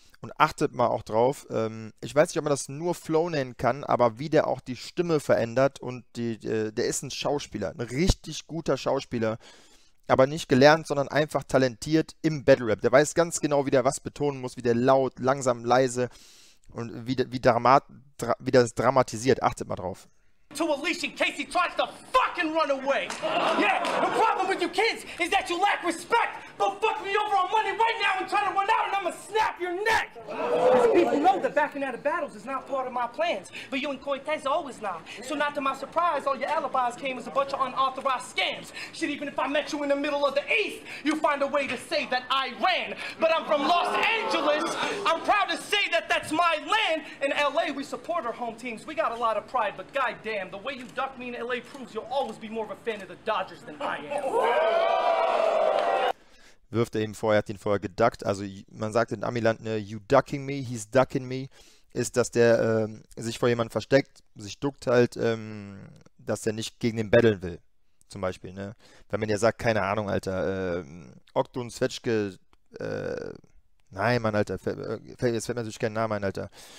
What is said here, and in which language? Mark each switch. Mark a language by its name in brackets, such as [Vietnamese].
[German] Und achtet mal auch drauf, ich weiß nicht, ob man das nur Flow nennen kann, aber wie der auch die Stimme verändert und der ist ein Schauspieler, ein richtig guter Schauspieler, aber nicht gelernt, sondern einfach talentiert im Battle Rap. Der weiß ganz genau, wie der was betonen muss, wie der laut, langsam, leise. Und wie das dramatisiert, achtet mal drauf. [English] To a leash in case he tries to fucking run away. Yeah, the problem with you kids is that you lack respect. But fuck me over on money right now and try to run out and I'ma snap your neck. people know that backing out of battles is not part of my plans. But you and Cortez always lie. So not to my surprise, all your alibis came as a bunch of unauthorized scams. Shit, even if I met you in the middle of the East, you'd find a way to say that I ran. But I'm from Los Angeles. I'm proud to say that that's my land. In LA, we support our home teams. We got a lot of pride, but goddamn, the way you duck me in LA proves you'll always be more of a fan of the Dodgers than I am. [German] Wirft er ihm vor, er hat ihn vorher geduckt. Also man sagt in Amiland, ne, [English] you ducking me, he's ducking me, [German] ist, dass der sich vor jemandem versteckt, sich duckt halt, dass der nicht gegen den battlen will, zum Beispiel. Ne? Wenn man ja sagt, keine Ahnung, Alter, Oktun Svetschke, nein, Mann, Alter, jetzt fällt mir natürlich kein Name ein, Alter.